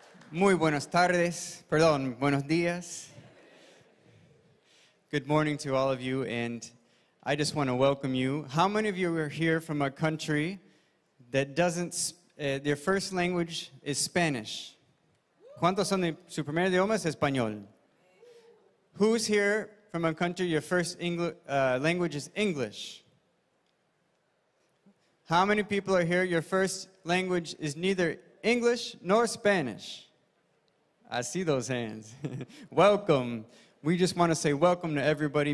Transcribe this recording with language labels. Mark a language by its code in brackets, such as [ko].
[es] Muy buenas tardes, perdón, buenos días. [en] Good morning to all of you, and I just want to welcome you. How many of you are here from a country that doesn't, their first language is Spanish? [es] ¿Cuántos son de su primer idioma es español? [en] Who's here from a country your first language is English? How many people are here your first language is neither English nor Spanish? I see those hands. Welcome. We just want to say welcome to everybody.